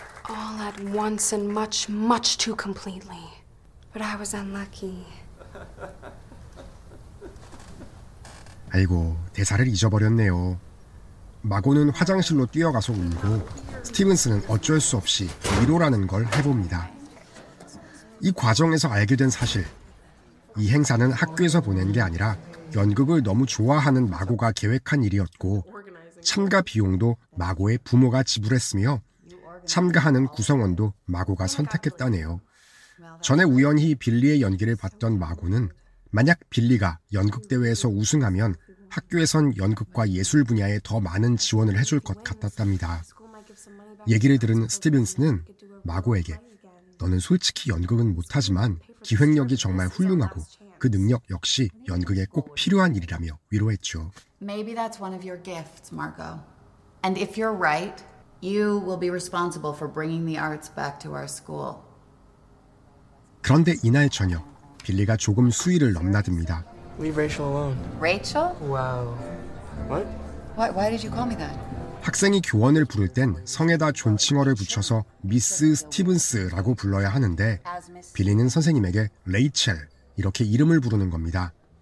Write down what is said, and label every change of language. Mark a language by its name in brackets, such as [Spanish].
[English] All at once and much, much too completely. But I was unlucky. [Korean] 아이고, 대사를 잊어버렸네요. 마고는 화장실로 뛰어가서 울고 스티븐스는 어쩔 수 없이 위로라는 걸 해봅니다. 이 과정에서 알게 된 사실. 이 행사는 학교에서 보낸 게 아니라 연극을 너무 좋아하는 마고가 계획한 일이었고 참가 비용도 마고의 부모가 지불했으며 참가하는 구성원도 마고가 선택했다네요. 전에 우연히 빌리의 연기를 봤던 마고는 만약 빌리가 연극대회에서 우승하면 학교에선 연극과 예술 분야에 더 많은 지원을 해줄 것 같았답니다. 얘기를 들은 스티븐스는 마고에게 너는 솔직히 연극은 못하지만 기획력이 정말 훌륭하고 그 능력 역시 연극에 꼭 필요한 일이라며 위로했죠. [English] Maybe that's one of your gifts, Marco. And if you're right, you will be responsible for bringing the arts back to our school. [Korean] 그런데 이날 저녁 빌리가 조금 수위를 넘나듭니다. [English] Leave Rachel alone. Rachel? Wow. What? Why did you call me that? [Korean] 학생이 교원을 부를 땐 성에다 존칭어를 붙여서 미스 스티븐스라고 불러야 하는데 빌리는 선생님에게 레이첼 이렇게 이름을 부르는 겁니다.